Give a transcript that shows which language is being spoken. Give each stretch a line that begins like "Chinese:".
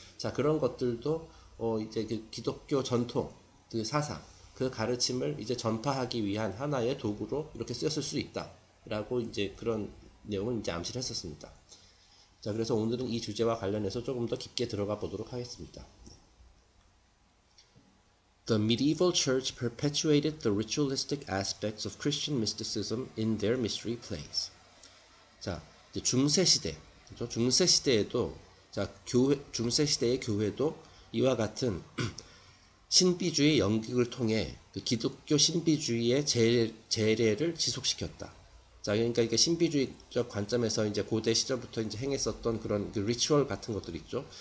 Korean: 자, 그런 것들도 이제 그 기독교 전통, 그 사상, 그 가르침을 이제 전파하기 위한 하나의 도구로 이렇게 쓰였을 수 있다. 라고 이제 그런 내용을 이제 암시를 했었습니다. 자, 그래서 오늘은 이 주제와 관련해서 조금 더 깊게 들어가 보도록 하겠습니다.
English: The medieval church perpetuated the ritualistic aspects of Christian mysticism in their mystery plays.
Korean: 자, 이제 중세 시대, 그렇죠? 중세 시대에도, 자, 중세 시대의 교회도 이와 같은 신비주의 연극을 통해 그 기독교 신비주의의 재례를 지속시켰다. 자, 그러니까 이게 신비주의적 관점에서 이제 고대 시절부터 이제 행했었던 그런 그 리추얼 같은 것들 있죠.